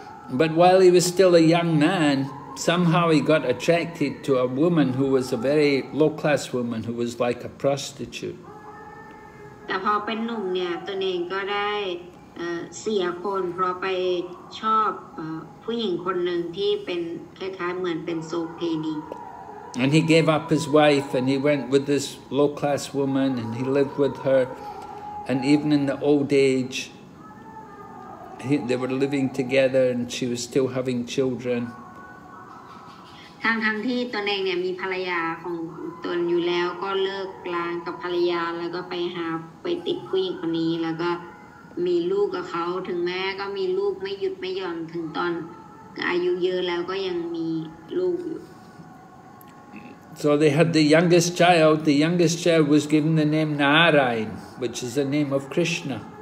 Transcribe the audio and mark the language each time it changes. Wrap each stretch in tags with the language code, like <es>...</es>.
<en>But while he was still a young man, somehow he got attracted to a woman who was a very low class woman who was like a prostitute.</en> <th>แต่พอเป็นหนุ่มเนี่ยตัวเองก็ได้เสียคนเพราะไปชอบผู้หญิงคนหนึ่งที่เป็นคล้ายๆเหมือนเป็นโซเพณี</th> <en>And he gave up his wife and he went with this low class woman and he lived with her and even in the old age they were living together and she was still having children</en> <th>ทั้งที่ตนเองเนี่ยมีภรรยาของตนอยู่แล้วก็เลิกรากับภรรยาแล้วก็ไปติดผู้หญิงคนนี้แล้วก็มีลูกกับเขาถึงแม้ก็มีลูกไม่หยุดไม่หย่อนถึงตอนอายุเยอะแล้วก็ยังมีลูกอยู่</th> <en>So they had the youngest child was given the name Narayan, which is the name of Krishna.</en>